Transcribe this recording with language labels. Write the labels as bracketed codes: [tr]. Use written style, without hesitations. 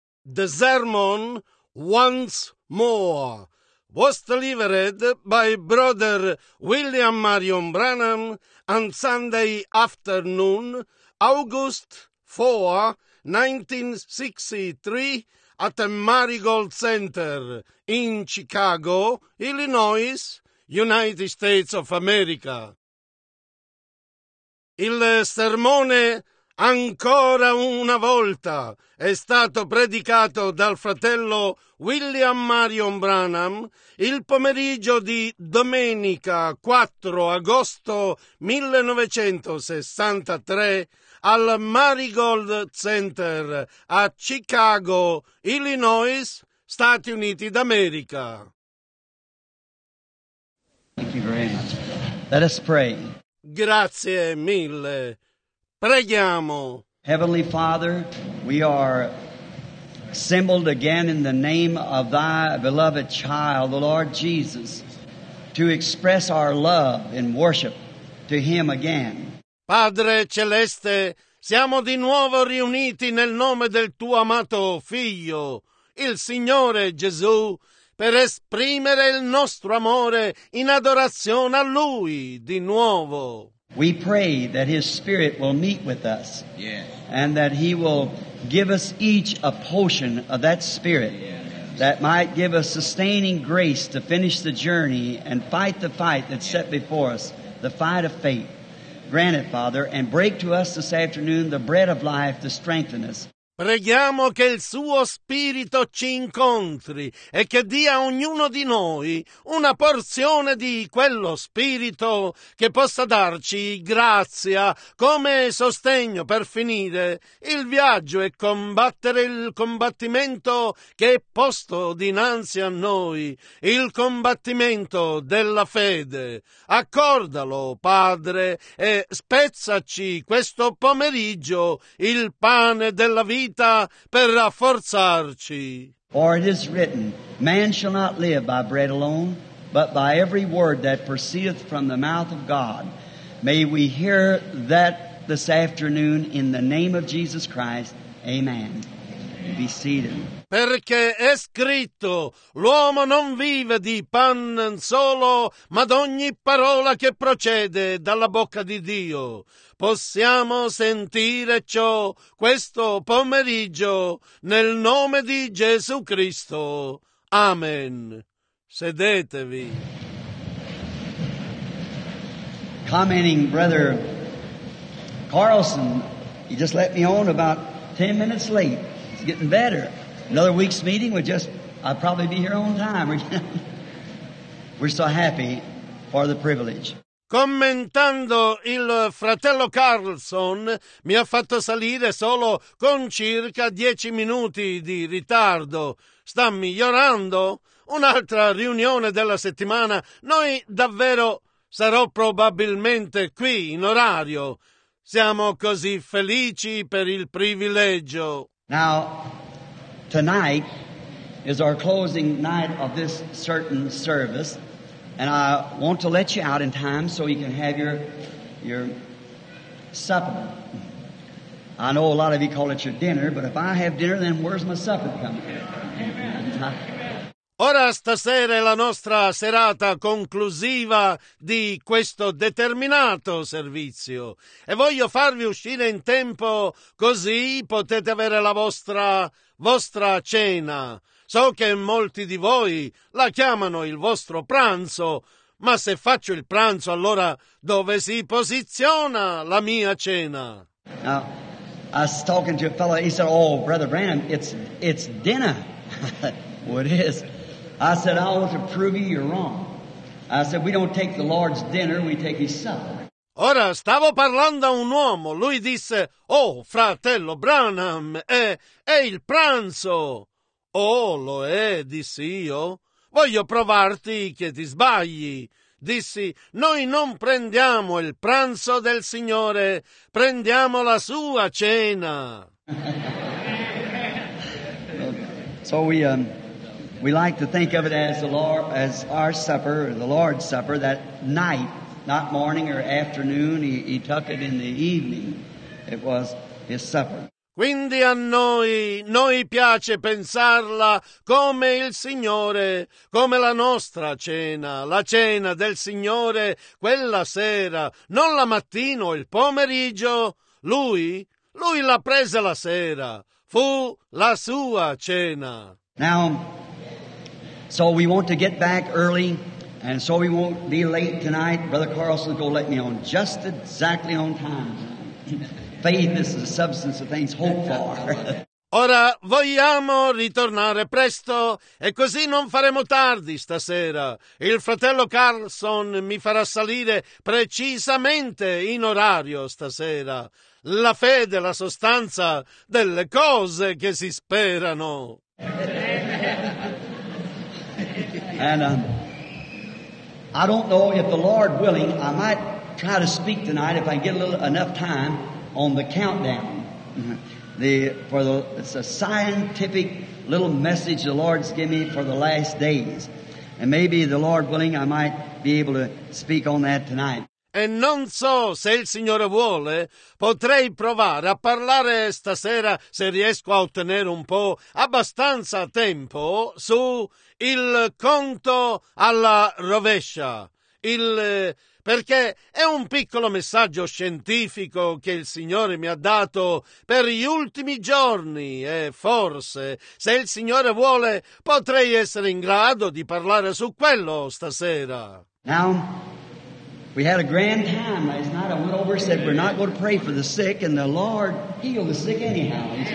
[en] The Sermon Once More was delivered by Brother William Marion Branham on Sunday afternoon, August 4, 1963, at the Marigold Center in Chicago, Illinois, United States of America. [it] Il sermone ancora una volta è stato predicato dal fratello William Marion Branham il pomeriggio di domenica 4 agosto 1963 al Marigold Center a Chicago, Illinois, Stati Uniti d'America. [en] Thank you very much. Let us pray. [it] Grazie mille. Preghiamo. [en] Heavenly Father, we are assembled again in the name of thy beloved child, the Lord Jesus, to express our love and worship to him again. [it] Padre Celeste, siamo di nuovo riuniti nel nome del tuo amato figlio, il Signore Gesù, per esprimere il nostro amore in adorazione a lui di nuovo. [en] We pray that His Spirit will meet with us, yes. And that He will give us each a portion of that Spirit, yes. That might give us sustaining grace to finish the journey and fight the fight that's set before us, the fight of faith. Grant it, Father, and break to us this afternoon the bread of life to strengthen us. [it] Preghiamo che il suo spirito ci incontri e che dia a ognuno di noi una porzione di quello spirito che possa darci grazia come sostegno per finire il viaggio e combattere il combattimento che è posto dinanzi a noi, il combattimento della fede. Accordalo, Padre, e spezzaci questo pomeriggio il pane della vita. Per rafforzarci. [en] For it is written, man shall not live by bread alone, but by every word that proceedeth from the mouth of God. May we hear that this afternoon in the name of Jesus Christ. Amen. Be seated. [it] Perché è scritto, l'uomo non vive di pan solo, ma d'ogni parola che procede dalla bocca di Dio. Possiamo sentire ciò questo pomeriggio nel nome di Gesù Cristo. Amen. Sedetevi. [en] Commenting Brother Carlson, he just let me on about 10 minutes late. It's getting better. Another week's meeting would just, I'd probably be here on time. We're so happy for the privilege. [it] Commentando il fratello Carlson, mi ha fatto salire solo con circa 10 minuti di ritardo. Sta migliorando? Un'altra riunione della settimana. Noi davvero sarò probabilmente qui in orario. Siamo così felici per il privilegio. [en] Now, tonight is our closing night of this certain service. And I want to let you out in time so you can have your supper. I know a lot of you call it your dinner, but if I have dinner, then where's my supper coming? [it] Ora stasera è la nostra serata conclusiva di questo determinato servizio e voglio farvi uscire in tempo così potete avere la vostra cena. So che molti di voi la chiamano il vostro pranzo, ma se faccio il pranzo, allora dove si posiziona la mia cena? [en] Now, I was talking to a fellow, he said, oh, Brother Branham, it's dinner. What is? I said, I want to prove you you're wrong. I said, we don't take the Lord's dinner, we take his supper. [it] Ora, stavo parlando a un uomo, lui disse, oh, fratello Branham, è il pranzo. Oh, lo è, dissi io. Voglio provarti che ti sbagli. Dissi, noi non prendiamo il pranzo del Signore, prendiamo la sua cena. [en] So we like to think of it as our supper, the Lord's supper, that night, not morning or afternoon, he took it in the evening. It was his supper. [it] Quindi a noi piace pensarla come il Signore, come la nostra cena, la cena del Signore quella sera, non la mattina o il pomeriggio. Lui la prese la sera, fu la sua cena. [en] Now, so we want to get back early, and so we won't be late tonight. Brother Carlson, go let me on just exactly on time. Faith is the substance of things hoped for. [it] Ora vogliamo ritornare presto e così non faremo tardi stasera. Il fratello Carlson mi farà salire precisamente in orario stasera. La fede è la sostanza delle cose che si sperano. [en] And I don't know if the Lord willing, I might try to speak tonight if I get a little enough time on the countdown. It's a scientific little message the Lord's given me for the last days. And maybe the Lord willing, I might be able to speak on that tonight. [it] E non so se il Signore vuole, potrei provare a parlare stasera se riesco a ottenere un po' abbastanza tempo su il conto alla rovescia. Perché è un piccolo messaggio scientifico che il Signore mi ha dato per gli ultimi giorni e forse, se il Signore vuole, potrei essere in grado di parlare su quello stasera. [en] Now, we had a grand time last night. I went over and said we're not going to pray for the sick, and the Lord healed the sick anyhow.